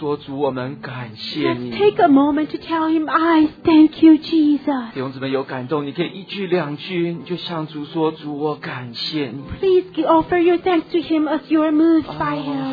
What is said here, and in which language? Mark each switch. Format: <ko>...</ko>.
<en>Take a moment to tell him, I thank you, Jesus.</en> <zh>弟兄姊妹有感动，你可以一句两句就向主说，主我感谢你。</zh> <en>Please offer your thanks to him as you are moved by him.</en>